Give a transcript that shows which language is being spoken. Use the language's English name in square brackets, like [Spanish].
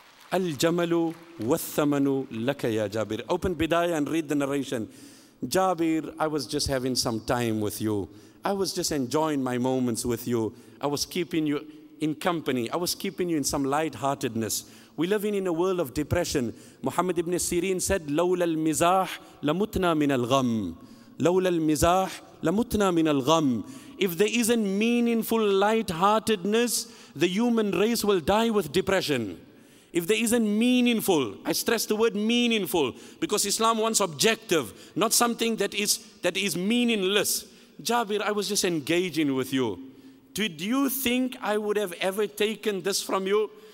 [Arabic] Al jamalu wa thamanu laka ya Jabir. [English] Open Bidayah and read the narration. Jabir, I was just having some time with you. I was just enjoying my moments with you. I was keeping you in company. I was keeping you in some lightheartedness. We're living in a world of depression. Muhammad ibn Sirin said, [Arabic] لَوْلَا الْمِزَاحِ لَمُتْنَا مِنَ الْغَمِ لَوْلَا الْمِزَاحِ لَمُتْنَا مِنَ الْغَمِ. [English] If there isn't meaningful lightheartedness, the human race will die with depression. If there isn't meaningful, I stress the word meaningful, because Islam wants objective, not something that is meaningless. Jabir, I was just engaging with you. Did you think I would have ever taken this from you?